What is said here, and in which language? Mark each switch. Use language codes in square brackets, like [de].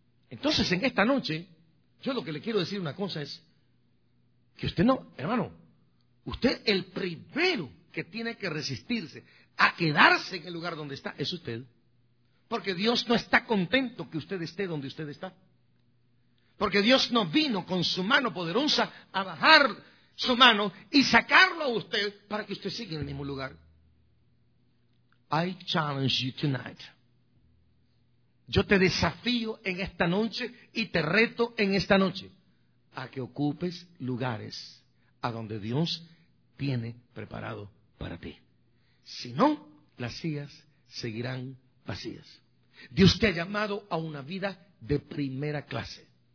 [es] Entonces en esta noche, yo lo que le quiero decir una cosa es, que usted no, hermano, usted el primero que tiene que resistirse a quedarse en el lugar donde está, es usted. Porque Dios no está contento que usted esté donde usted está. Porque Dios no vino con su mano poderosa a bajar su mano y sacarlo a usted para que usted siga en el mismo lugar. [en] I challenge you tonight. [es] Yo te desafío en esta noche y te reto en esta noche a que ocupes lugares a donde Dios tiene preparado para ti. Si no, las sillas seguirán vacías. Dios te ha llamado a una vida de primera clase.